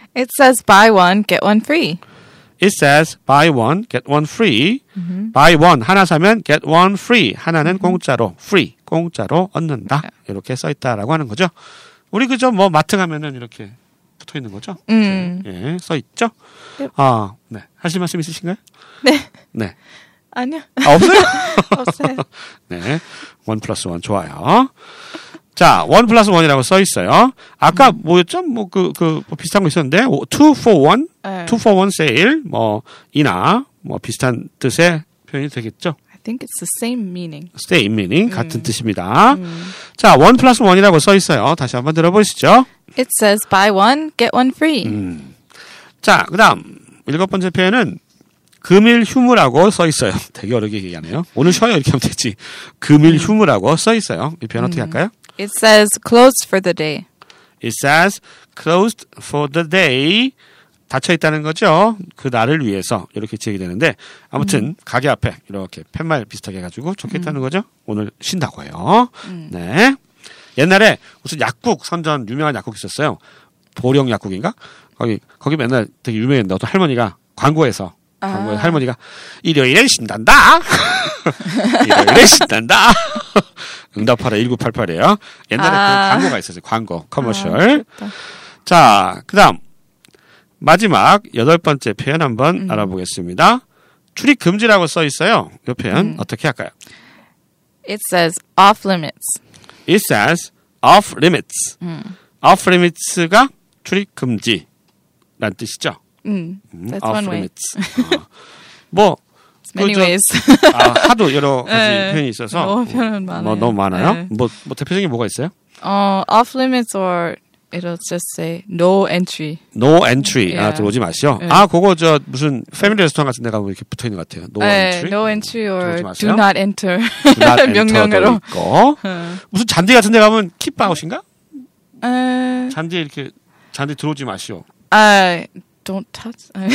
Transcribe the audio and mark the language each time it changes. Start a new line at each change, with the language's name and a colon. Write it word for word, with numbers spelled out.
English: It says buy one, get one free. It says buy one, get one free. Mm-hmm. buy one,
Korean: 하나 사면
English: get one free.
Korean: 하나는 mm-hmm. 공짜로, free, 공짜로 얻는다. Mm-hmm. 이렇게 써있다라고 하는 거죠. 우리 그저 뭐 마트 가면은 이렇게 붙어있는 거죠. 음. 예, 써있죠. Yep. 아, 네. 하실 말씀 있으신가요? 네. 네. 아니요. 아, 없어요? 없어요. 네. 원 플러스 원, 좋아요. 자, 원 플러스 원이라고 써 있어요. 아까 음. 뭐였죠? 뭐, 그, 그, 뭐 비슷한 거 있었는데, 투 포 원, 네. 투 포 원 세일, 뭐, 이나, 뭐, 비슷한 뜻의 표현이 되겠죠?
English: I think it's the same meaning. Same meaning.
Korean: 음. 같은 뜻입니다. 음. 자, 원 플러스 원이라고 써 있어요. 다시 한번 들어보시죠. It says buy one, get one free. 음. 자, 그 다음, 일곱 번째 표현은 금일 휴무라고 써 있어요. 되게 어렵게 얘기하네요. 오늘 쉬어요 이렇게 하면 되지. 금일 휴무라고 써 있어요. 이 표현 어떻게 할까요?
English: It says closed for the day. It says closed for the day.
Korean: 닫혀 있다는 거죠. 그 날을 위해서 이렇게 지역이 되는데 아무튼 음. 가게 앞에 이렇게 팻말 비슷하게 해가지고 적혀 있다는 음. 거죠. 오늘 쉰다고 해요. 음. 네. 옛날에 무슨 약국 선전 유명한 약국 있었어요. 보령 약국인가? 거기 거기 맨날 되게 유명했는데 어떤 할머니가 광고에서 아. 할머니가 일요일에 쉰단다. 일요일에 쉰단다. 응답하라 천구백팔십팔이에요. 옛날에 아. 그 광고가 있었어요. 광고, 커머셜. 아, 자, 그 다음 마지막 여덟 번째 표현 한번 음. 알아보겠습니다. 출입 금지라고 써 있어요. 이 표현 음. 어떻게 할까요?
English: It says off limits. It says off limits. 음.
Korean: Off limits가 출입 금지란 뜻이죠.
English: 음, that's off one way. limits. 어. 뭐 many
Korean: 그
English: ways.
Korean: 아, 하도 여러 가지 네, 표현이 있어서 너무 표현 많아요. 뭐, 너무 많아요. 네. 뭐, 뭐 대표적인 게 뭐가 있어요?
English: 어, off limits or it'll just say no entry. No entry.
Korean: Yeah. 아, 들어오지 마시오.
English: Yeah.
Korean: 아, 그거 저 무슨 패밀리 레스토랑 같은 데 가면 이렇게 붙어 있는 것 같아요.
English: No
Korean: 네,
English: entry. No entry or do not enter.
Korean: 명령으로 있고. 무슨 잔디 같은 데 가면
English: keep out
Korean: 인가? 에... 잔디 이렇게 잔디 들어오지 마시오.
English: 아, don't touch.